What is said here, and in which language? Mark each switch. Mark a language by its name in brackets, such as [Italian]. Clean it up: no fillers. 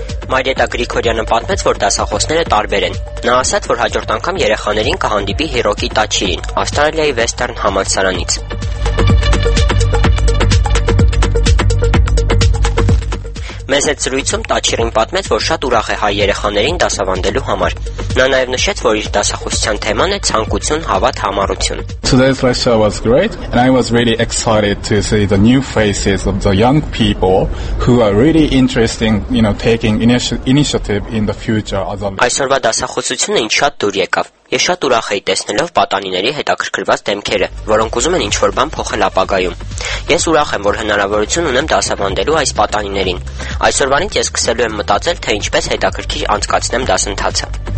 [Armenian] Մարիետա Գրիգորյանը պատմեց, որ դասախոսները տարբեր են։ Նա ասաց, որ հաջորդ անգամ երեխաներին կհանդիպի Հիրոկի Տաչիրին, Ավստրալիայի Վեսթերն համալսարանից։ Մեզ հետ զրույցում Տաչիրին պատմեց, որ շատ ուրախ է հայ երեխաներին դասավանդելու համար։ Նա նաև նշեց, որ իր դասախոսության թեման է ցանկություն, հավատ, համառություն։ [English] Today's lecture was great and I was really excited to see the new faces of the young people who are really interesting, you know, taking initiative in the future as a [Armenian] Այսօրվա դասախոսությունը ինձ շատ դուր եկավ։ Ես շատ ուրախ եի տեսնելով պատանիների հետաքրքրված դեմքերը, որոնք ուզում են ինչ-որ բան փոխել ապագայում։ Ես ուրախ եմ, որ հնարավորություն ունեմ դասավանդելու այս պատանիներին։ Այսօրվանից ես սկսելու եմ մտածել, թե ինչպես հետաքրքիր անցկացնեմ դասընթացը։